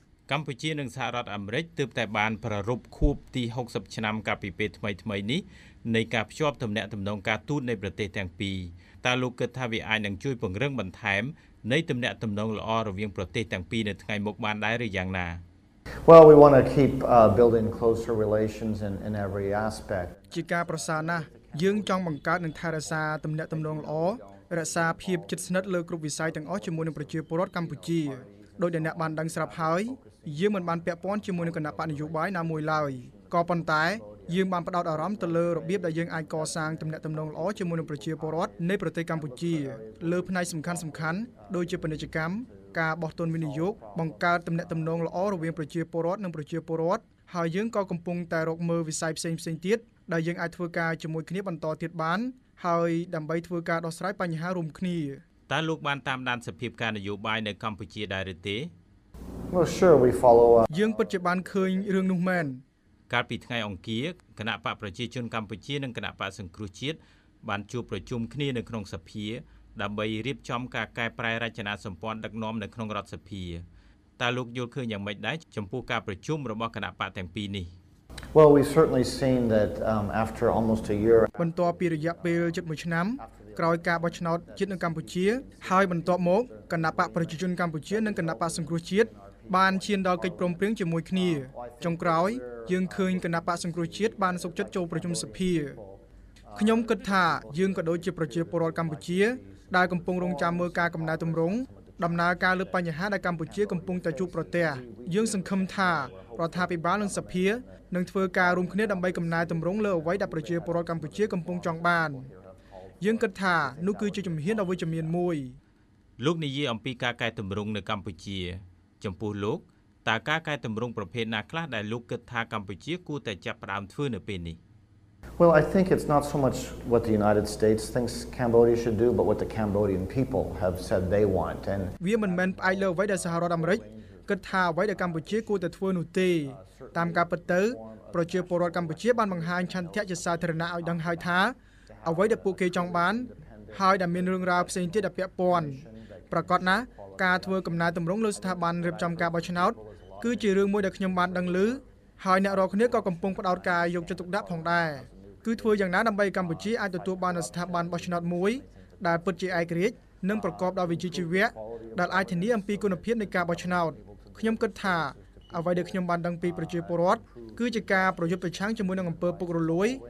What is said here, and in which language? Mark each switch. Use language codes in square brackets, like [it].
[km] កម្ពុជានិងសហរដ្ឋអាមេរិកទើបតែបានប្ររព្ធខួបទី60ឆ្នាំកាលពីពេលថ្មីៗនេះនៃការភ្ជាប់ទំនាក់ទំនងការទូតនៃប្រទេសទាំងពីរតើលោកគិតថាវាអាចនឹងជួយពង្រឹងបន្ថែមនៃទំនាក់ទំនងល្អរវាងប្រទេសទាំងពីរនៅថ្ងៃមុខបានដែរឬយ៉ាងណា [en] Well we want to keep building closer relations in every aspect [km] ជាការប្រសើរណាស់យើងចង់បង្កើតនិងថែរក្សាទំនាក់ទំនងល្អរក្សាភាពជិតស្និទ្ធលើគ្រប់វិស័យទាំងអស់ជាមួយនឹងប្រជាពលរដ្ឋកម្ពុជាដោយដែលអ្នកបានដឹងស្រាប់ហើយយើងមិនបានពាក់ព័ន្ធជាមួយនឹងគណៈបកនយោបាយណាមួយឡើយក៏ប៉ុន្តែយើងបានផ្ដោតអារម្មណ៍ទៅលើរបៀបដែលយើងអាចកសាងទំនាក់ទំនងល្អជាមួយនឹងប្រជាពលរដ្ឋនៃប្រទេសកម្ពុជាលើផ្នែកសំខាន់ៗដូចជាពាណិជ្ជកម្ម ការបោះទុនវិនិយោគបង្កើតទំនាក់ទំនងល្អរវាងប្រជាពលរដ្ឋនិងប្រជាពលរដ្ឋហើយយើងក៏កំពុងតែរកមើលវិស័យផ្សេងៗទៀតដែលយើងអាចធ្វើការជាមួយគ្នាបន្តទៀតបានហើយដើម្បីធ្វើការដោះស្រាយបញ្ហារួមគ្នា តើលោកបានតាមដានសភាពការនយោបាយនៅកម្ពុជាដែរឬទេ [en] Well sure we follow up [km] យើងពិតជាបានឃើញរឿងនោះមែន កាលពីថ្ងៃអង្គារគណៈបកប្រជាជនកម្ពុជានិងគណៈបកសង្គ្រោះជាតិបានជួបប្រជុំគ្នានៅក្នុងសភាដើម្បីរៀបចំការកែប្រែរចនាសម្ព័ន្ធដឹកនាំនៅក្នុងរដ្ឋសភាតើលោកយល់ឃើញយ៉ាងម៉េចដែរចំពោះការប្រជុំរបស់គណៈបកទាំងពីរនេះ [en] Well we certainly seen that after almost a year [km] បន្ទាប់ពីរយៈពេលជិតមួយឆ្នាំក្រោយការបោះឆ្នោតជាតិនៅកម្ពុជាហើយបន្ទាប់មកគណៈបកប្រជាជនកម្ពុជានិងគណៈបកសង្គ្រោះជាតិបានឈានដល់កិច្ចព្រមព្រៀងជាមួយគ្នាចុងក្រោយយើងឃើញគណៈបកសង្គ្រោះជាតិបានសុខចិត្តចូលប្រជុំសភា ខ្ញុំគិតថាយើងក៏ដូចជាប្រជាពលរដ្ឋកម្ពុជាដែលកំពុងរងចាំមើលការកំណែទម្រង់ដំណើរការលើបញ្ហាដែលកម្ពុជាកំពុងតែជួបប្រទះយើងសង្ឃឹមថារដ្ឋាភិបាលនិងសភានឹងធ្វើការរួមគ្នាដើម្បីកំណែទម្រង់លើអ្វីដែលប្រជាពលរដ្ឋកម្ពុជាកំពុងចង់បានយើងគិតថានោះគឺជាជំហានដ៏វិជ្ជមានមួយ លោកនាយីអំពីការកែទម្រង់នៅកម្ពុជាចំពោះលោកតើការកែទម្រង់ប្រភេទណាខ្លះដែលលោកគិតថាកម្ពុជាគួរតែចាប់ផ្ដើមធ្វើនៅពេលនេះ [en] Well I think it's not so much what the United States thinks Cambodia should do but what the Cambodian people have said they want and [km] វាមិនមែនផ្អែកលើអ្វីដែលសហរដ្ឋអាមេរិកគិតថាអ្វីដែលកម្ពុជាគួរតែធ្វើនោះទេតាមការពិតទៅប្រជាពលរដ្ឋកម្ពុជាបានបង្ហាញឆន្ទៈជាសាធារណៈឲ្យដឹងហើយថា អ្វីដែលពួកគេចង់បានហើយដែលមានរឿងរ៉ាវផ្សេងទៀតដែលពាក់ព័ន្ធប្រកបណាការធ្វើកំណែទម្រង់លើស្ថាប័នរៀបចំការបោះឆ្នោតគឺជារឿងមួយដែលខ្ញុំបានដឹងឮហើយអ្នករាល់គ្នាក៏កំពុងផ្តោតការយកចិត្តទុកដាក់ផងដែរគឺធ្វើយ៉ាងណាដើម្បីកម្ពុជាអាចទទួលបានស្ថាប័នបោះឆ្នោតមួយដែលពិតជាឯករាជ្យនិងប្រកបដោយវិជ្ជាជីវៈដែលអាចធានាអំពីគុណភាពនៃការបោះឆ្នោតខ្ញុំគិតថាអ្វីដែលខ្ញុំបានដឹងពីប្រជាពលរដ្ឋគឺជាការប្រយុទ្ធប្រឆាំងជាមួយនឹងអំពើពុករលួយ